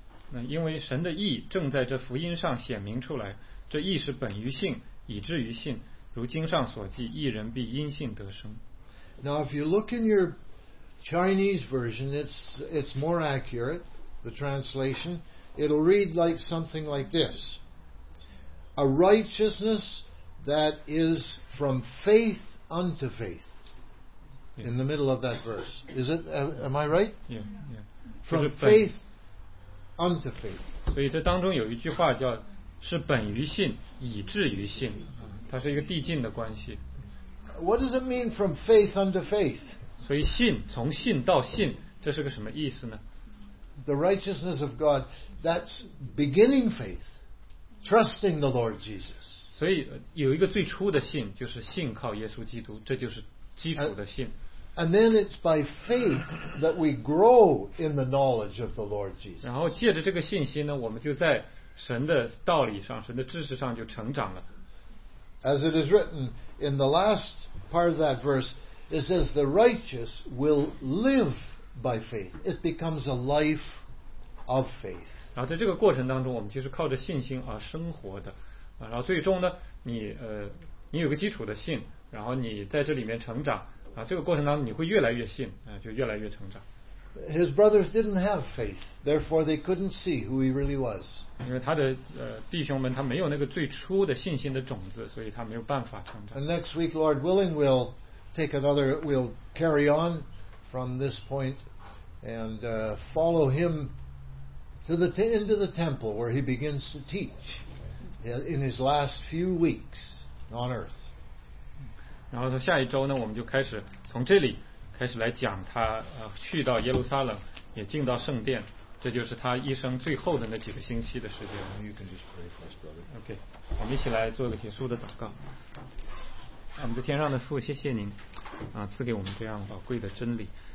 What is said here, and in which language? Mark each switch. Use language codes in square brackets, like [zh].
[zh] 那因为神的义正在这福音上显明出来，这义是本于信，以至于信，如经上所记，义人必因信得生。 [en] Now if you look in your Chinese version, it's more accurate, the translation. It'll read like something like this. A righteousness that is from faith unto faith. Yeah. In the middle of that verse. Is it? Am I right? Yeah. From faith unto faith. [zh] 所以这当中有一句话叫是本于信，以至于信，它是一个递进的关系。 [en] What does it mean from faith unto faith? [zh] 所以信，从信到信，这是个什么意思呢？ [en] The righteousness of God, that's beginning faith, trusting the Lord Jesus. [zh] 所以有一个最初的信，就是信靠耶稣基督，这就是基础的信。 [en] And then it's by faith that we grow in the knowledge of the Lord Jesus. [zh] 然后借着这个信心呢，我们就在神的道理上，神的知识上就成长了。 [en] As it is written in the last part of that verse, it says the righteous will live by faith. It becomes a life of faith. [zh] 然后在这个过程当中，我们就是靠着信心而生活的。然后最终呢，你有个基础的信，然后你在这里面成长。这个过程当中你会越来越信，就越来越成长。 [en] His brothers didn't have faith, therefore they couldn't see who he really was. [zh] 因为他的弟兄们他没有那个最初的信心的种子，所以他没有办法成长。 [en] And next week, Lord willing, we'll take another, we'll carry on from this point and follow him to the into the temple where he begins to teach in his last few weeks on earth. [zh] 然后下一周呢，我们就开始从这里开始来讲他去到耶路撒冷，也进到圣殿，这就是他一生最后的那几个星期的时间。 [en] You can just pray for us, brother. [zh] OK, 我们一起来做个结束的祷告。我们的天上的父，谢谢您赐给我们这样宝贵的真理。